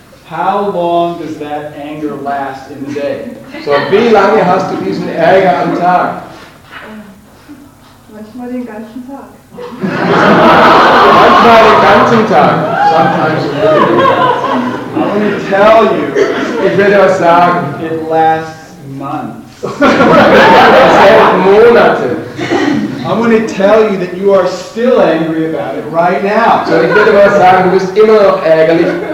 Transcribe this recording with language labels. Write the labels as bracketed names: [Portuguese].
[English] How long does that anger last in the day? [German] So, wie lange hast du diesen Ärger am Tag? Manchmal den ganzen Tag. Manchmal den ganzen Tag. Sometimes. [English] I'm going to tell you. [German] Ich werde euch sagen. [English] It lasts months. [German] Es hält Monate. [English] I'm going to tell you that you are still angry about it right now. [German] So, ich werde euch sagen, du bist immer noch ärgerlich.